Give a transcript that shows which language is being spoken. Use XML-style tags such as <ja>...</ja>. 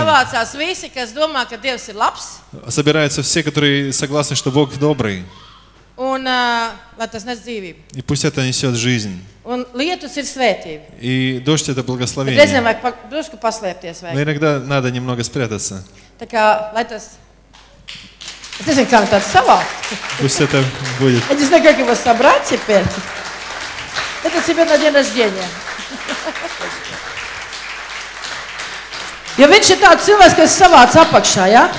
<lv>Savācās visi, kas domā, ka Dievs ir labs.</lv> <ru>Собираются все, которые согласны, что Бог добрый.</ru> <lv>Un lai tas nes dzīvību.</lv> <ru>И пусть это несет жизнь.</ru> <lv>Un lietus ir svētība.</lv> <ru>И дождь это благословение.</ru> <lv>Bet reizēm vajag drusku paslēpties, vai?</lv> <ru>Но иногда надо немного спрятаться.</ru> <lv>Tā kā, lai tas... Es nezinu, kā tāds savāk.</lv> <ru>Пусть это будет.</ru> <lv>Es nezinu, kā</lv> <ru>его собрать теперь. Это тебе на день рождения.</ru> <lv>Jo viņš ir tāds cilvēks, kas savāc apakšā, ja?</lv>